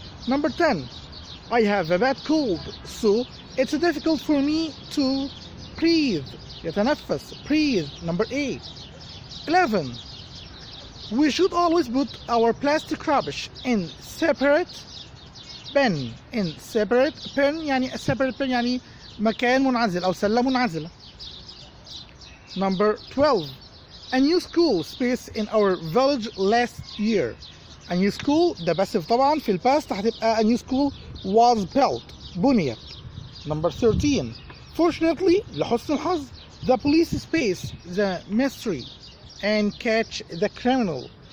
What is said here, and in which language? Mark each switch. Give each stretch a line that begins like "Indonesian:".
English: Number 10, I have a bad cold, so it's difficult for me to breathe. يتنفس, breathe. Number 8, 11, we should always put our plastic rubbish in separate pen. In separate pen
Arabic: يعني
English: separate pen
Arabic: يعني مكان منعزل أو سلة منعزلة.
English: Number 12, a new school space in our village last year. A new school
Arabic: ده بس طبعا في الباست هتبقى
English: a new school was built, بنيت. Number 13, fortunately
Arabic: لحسن الحظ,
English: the police space the mystery and catch the criminal.